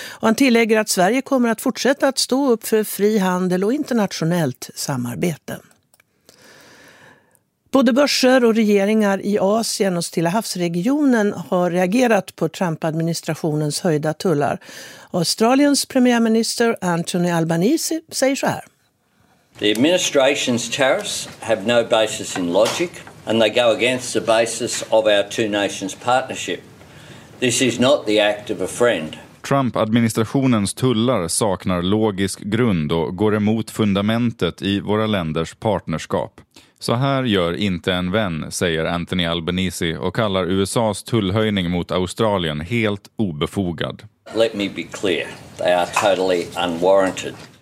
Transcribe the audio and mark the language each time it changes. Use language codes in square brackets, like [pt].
[sv] Och han tillägger att Sverige kommer att fortsätta att stå upp för fri handel och internationellt samarbete. Både börser och regeringar i Asien och Stilla havsregionen har reagerat på Trump-administrationens höjda tullar. Australiens premiärminister Anthony Albanese säger så här. [en] The administration's tariffs have no basis in logic and they go against the basis of our two nations partnership. This is not the act of a friend. [sv] Trump-administrationens tullar saknar logisk grund och går emot fundamentet i våra länders partnerskap. Så här gör inte en vän, säger Anthony Albanese och kallar USA:s tullhöjning mot Australien helt obefogad. [en] Let me be clear. They are totally unwarranted.